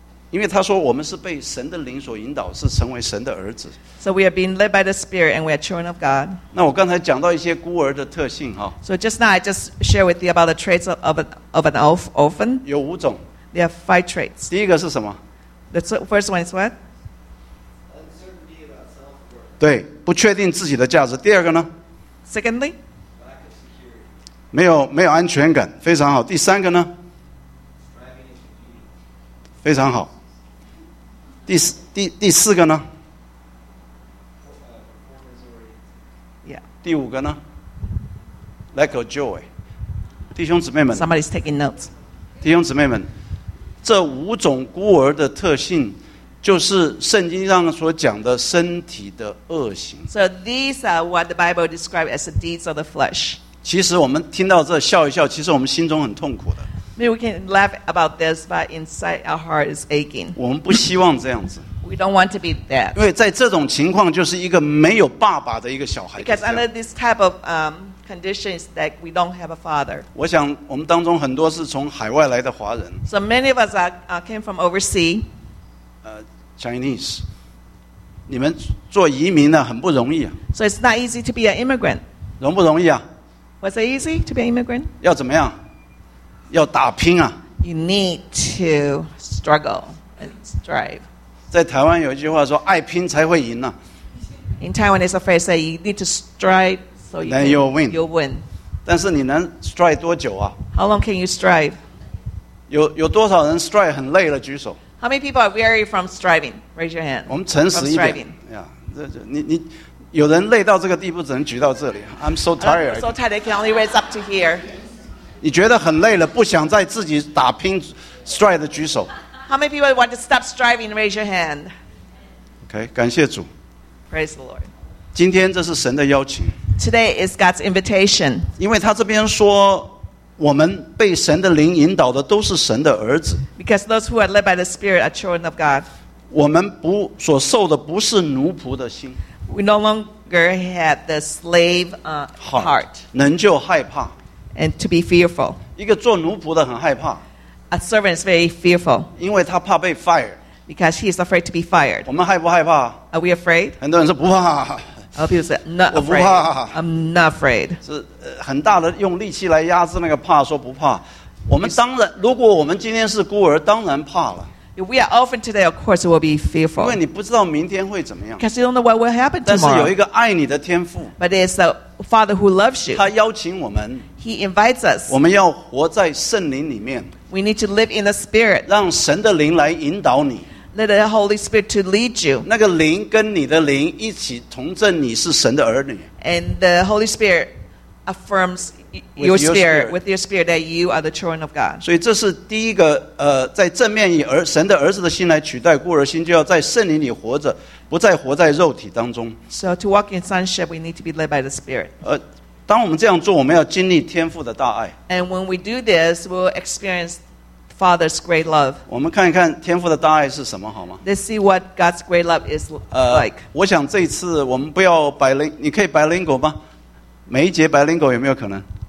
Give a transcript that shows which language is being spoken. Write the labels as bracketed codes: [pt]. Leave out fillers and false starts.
[zh] 因为他说我们是被神的灵所引导，是成为神的儿子。 [en] So we are being led by the Spirit and we are children of God. [zh] 那我刚才讲到一些孤儿的特性哈。 [en] So just now I just share with you about the traits of an orphan. [zh] 有五种。 [en] There are five traits. [zh] 第一个是什么 [en] ？The first one is what? Uncertainty about self-worth. [zh] 对，不确定自己的价值。第二个呢 [en] ？Secondly. [zh] 没有安全感，非常好。第三个呢？非常好。第四个呢？第五个呢 ？ [en] Lack of joy， [zh] 弟兄姊妹们。 [en] Somebody's taking notes。 [zh] 弟兄姊妹们，这五种孤儿的特性，就是圣经上所讲的身体的恶行。 [en] So these are what the Bible describes as the deeds of the flesh。 [zh] 其实我们听到这笑一笑，其实我们心中很痛苦的。 [en] Maybe we can laugh about this, but inside our heart is aching。 [zh] 我们不希望这样子。 [en] We don't want to be that. [zh] 因为在这种情况，就是一个没有爸爸的一个小孩。 [en] Because under this type of conditions, that we don't have a father. [zh] 我想我们当中很多是从海外来的华人。 [en] So many of us are came from overseas. [zh] Chinese, 你们做移民呢很不容易啊。 [en] So it's not easy to be an immigrant. [zh] 容不容易啊 [en] ？Was it easy to be an immigrant? [zh] 要怎么样？要打拼啊。 [en] You need to struggle and strive. [zh] 在台湾有一句话说：“爱拼才会赢呢。” [en] In Taiwan, there's a phrase that you need to strive so you then you'll win. You'll win. [zh] 但是你能 strive 多久啊 [en] ？How long can you strive? [zh] 有多少人 strive 很累了？举手。 [en] How many people are weary from striving? Raise your hand. [zh] 我们诚实一点。Yeah, 你有人累到这个地步，只能举到这里。 [en] I'm so tired. So tired, they can only raise up to here. [zh] 你觉得很累了，不想再自己打拼 strive 的举手。 [en] How many people want to stop striving? Raise your hand. [zh] Okay, 感谢主。 [en] Praise the Lord. [zh] 今天这是神的邀请。 [en] Today is God's invitation. [zh] 因为他这边说，我们被神的灵引导的都是神的儿子。 [en] Because those who are led by the Spirit are children of God. [zh] 我们不所受的不是奴仆的心。 [en] We no longer have the slave heart. [zh] 能就害怕。 [en] And to be fearful. [zh] 一个做奴仆的很害怕。 [en] A servant is very fearful. [zh] 因为他怕被 fire. [en] Because he is afraid to be fired. [zh] 我们害不害怕？ [en] Are we afraid? [zh] 很多人说不怕。 [en] Other people say not afraid. [zh] 我不怕。 [en] I'm not afraid. [zh] 是很大的用力气来压制那个怕，说不怕。我们当然，如果我们今天是孤儿，当然怕了。 [en] If we are orphan today, of course we'll be fearful. [zh] 因为你不知道明天会怎么样。 [en] Because you don't know what will happen tomorrow. [zh] 但是有一个爱你的天父。 [en] But there's a father who loves you. [zh] 他邀请我们。 [en] He invites us. [zh] 我们要活在圣灵里面。 [en] We need to live in the Spirit. [zh] 让神的灵来引导你。 [en] Let the Holy Spirit to lead you. [zh] 那个灵跟你的灵一起同证你是神的儿女。 [en] And the Holy Spirit affirms your spirit, with your spirit, that you are the children of God. [zh] 所以这是第一个，在正面以神的儿子的心来取代孤儿心，就要在圣灵里活着，不再活在肉体当中。 [en] So to walk in sonship, we need to be led by the Spirit. [zh] 当我们这样做，我们要经历天父的大爱。 [en] And when we do this, we'll experience Father's great love. [zh] 我们看一看天父的大爱是什么，好吗？ [en] Let's see what God's great love is like. [zh] 我想这一次我们不要百灵，你可以百灵果吗？每一节百灵果有没有可能？